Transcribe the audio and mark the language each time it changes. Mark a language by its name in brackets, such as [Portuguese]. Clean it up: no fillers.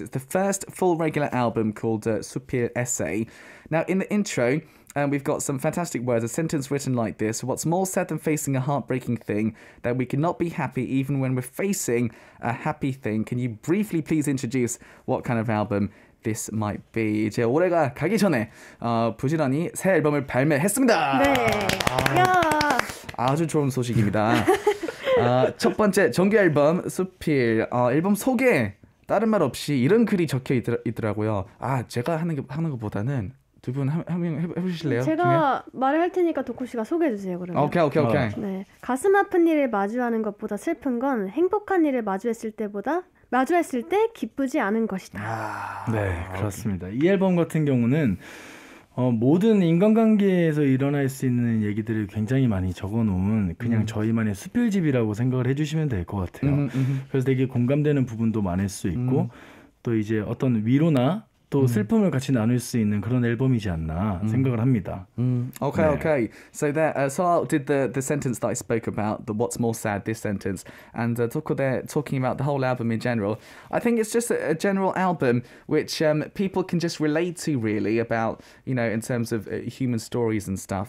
[English] It's the first full regular album called Supir Essay. Now, in the intro, we've got some fantastic words, a sentence written like this: what's more sad than facing a heartbreaking thing, that we cannot be happy even when we're facing a happy thing. Can you briefly please introduce what kind of album this might be? [Korean] 이제 올해가 가기 전에 부지런히 새 앨범을 발매했습니다. 네. 아주 좋은 소식입니다. 첫 번째 정규 앨범 수필. 앨범 소개 다른 말 없이 이런 글이 적혀 있더라고요. 아, 제가 하는 것보다는 두 분 한 명 해보실래요? 제가 말을 할 테니까 도쿠 씨가 소개해 주세요. 그러면. [English] 오케이 오케이 오케이. [Korean] 네. 가슴 아픈 일을 마주하는 것보다 슬픈 건 행복한 일을 마주했을 때 기쁘지 않은 것이다. 네, 그렇습니다. 이 앨범 같은 경우는 모든 인간관계에서 일어날 수 있는 얘기들을 굉장히 많이 적어놓은 그냥 저희만의 수필집이라고 생각을 해주시면 될 것 같아요. 그래서 되게 공감되는 부분도 많을 수 있고 또 이제 어떤 위로나 또 슬픔을 같이 나눌 수 있는 그런 앨범이지 않나 생각을 합니다. [English] Okay, 네. okay. So that so I did the sentence that I spoke about, the what's more sad, this sentence, and Toko there talking about the whole album in general. I think it's just a general album which people can just relate to really about, you know, in terms of human stories and stuff.